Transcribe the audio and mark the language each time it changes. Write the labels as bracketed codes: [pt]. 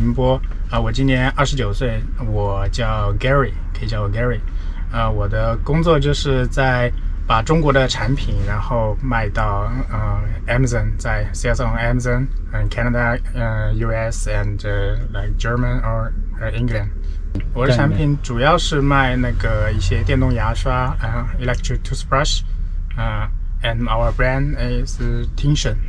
[zh] 大家好，我是来自浙江宁波。我今年29岁，我叫 Gary， 可以叫我 Gary。我的工作就是在把中国的产品然后卖到 Amazon， 在 [en] sales on Amazon。 Canada, US, and like German or England. [zh] 我的产品主要是卖那个一些电动牙刷, [en] electric toothbrush, and our brand is Tension.